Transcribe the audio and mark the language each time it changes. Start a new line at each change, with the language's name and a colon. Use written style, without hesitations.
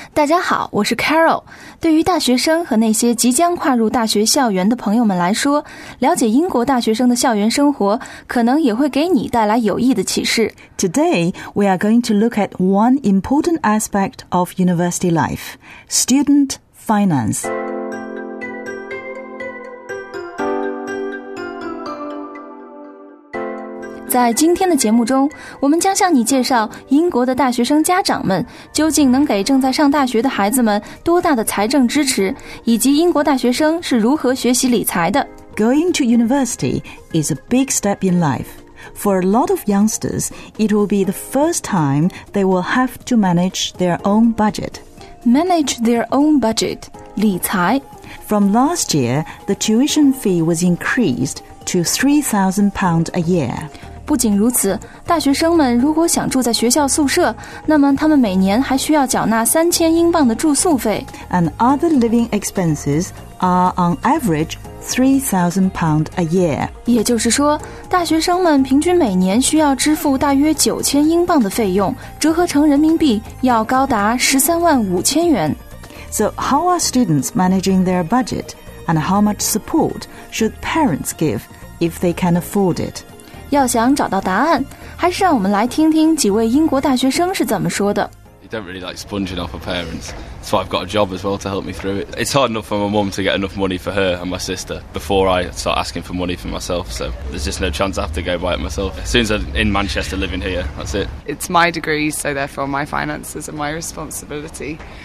Chinese: 大家好，我是 Carol。对于大学生和那些即将跨入大学校园的朋友们来说，了解英国大学生的校园生活，可能也会给你带来有益的启示。
English: Today, we are going to look at one important aspect of university life, student finance.
Chinese: 在今天的节目中，我们将向你介绍英国的大学生家长们究竟能给正在上大学的孩子们多大的财政支持，以及英国大学生是如何学习理财的。
English: Going to university is a big step in life. For a lot of youngsters, it will be the first time they will have to manage their own budget. Manage their own budget,
Chinese: 理财。
English: From last year, the tuition fee was increased to £3,000 a year.
Chinese: 不仅如此，大学生们如果想住在学校宿舍，那么他们每年还需要缴纳3000英镑的住宿费。
English: And other living expenses are on average £3,000 a year.
Chinese: 也就是说，大学生们平均每年需要支付大约9000英镑的费用，折合成人民币要高达135000元。
English: So how are students managing their budget, and how much support should parents give if they can afford it?
Chinese: 要想找到答案，还是让我们来听听几位英国大学生是怎么说的。
English: You don't really like sponging off of parents. That's why I've got a job as well to help me through it. It's hard enough for my mum to get enough money for her and my sister before I start asking for money for myself. So there's just no chance I have to go buy it myself. As soon as I'm in Manchester living here, that's it. It's my degree, so therefore my finances are my responsibility.